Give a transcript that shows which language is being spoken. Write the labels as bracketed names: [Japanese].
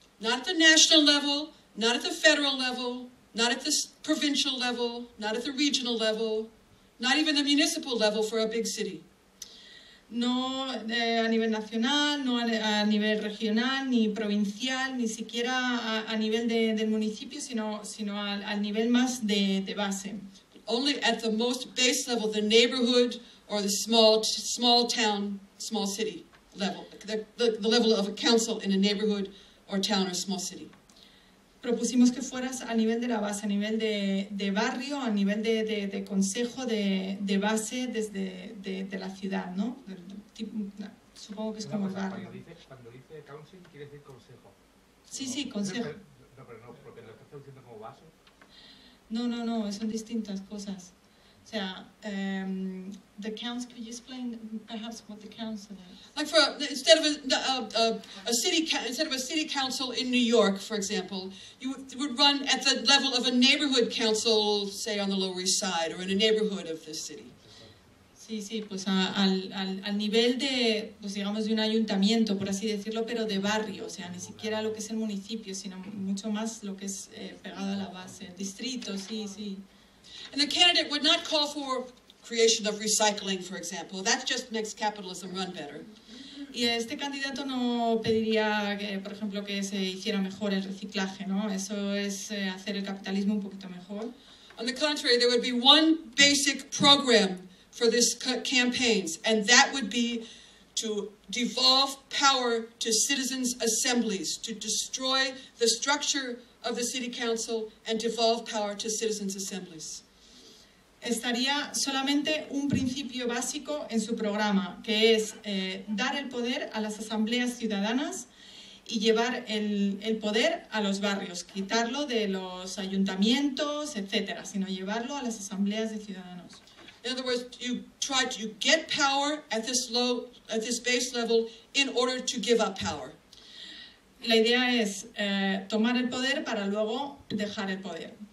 [English] Not at the national level, not at the federal level, not at the provincial level, not at the regional level, not even the municipal level for a big city. [Spanish] No a nivel nacional, no a nivel regional, ni provincial, ni siquiera a nivel del municipio, sino al nivel más de base. [English] Only at the most base level, the neighborhood or the small town, small city level, the level of a council in a neighborhood or town or small city. [Spanish] Propusimos que fueras a nivel de la base, a nivel de barrio, a nivel de consejo de base desde de la ciudad, ¿no? Supongo que es como el barrio. Cuando dice council, quiere decir consejo. Sí, sí, consejo. No, pero no, porque lo estás diciendo como base. No, son distintas cosas. O sea, [English] the council, could you explain perhaps what the council is? Like for instead of a city council in New York, for example, you would run at the level of a neighborhood council, say on the Lower East Side or in a neighborhood of the city. [Spanish] Sí, sí, pues al nivel de, pues digamos, de un ayuntamiento, por así decirlo, pero de barrio, o sea, ni siquiera lo que es el municipio, sino mucho más lo que es pegado a la base, distrito, sí, sí. [English] And the candidate would not call for creation of recycling, for example. That just makes capitalism run better. [Spanish] Y este candidato no pediría, por ejemplo, que se hiciera mejor el reciclaje, ¿no? Eso es hacer el capitalismo un poquito mejor. [English] On the contrary, there would be one basic program for this campaigns, and that would be to devolve power to citizens' assemblies, to destroy the structure of the city council and devolve power to citizens' assemblies. [Spanish] Estaría solamente un principio básico en su programa, que es dar el poder a las asambleas ciudadanas y llevar el poder a los barrios, quitarlo de los ayuntamientos, etcétera, sino llevarlo a las asambleas de ciudadanos. [English] In other words, you try to get power at this low, at this base level, in order to give up power. [Spanish] La idea es tomar el poder para luego dejar el poder.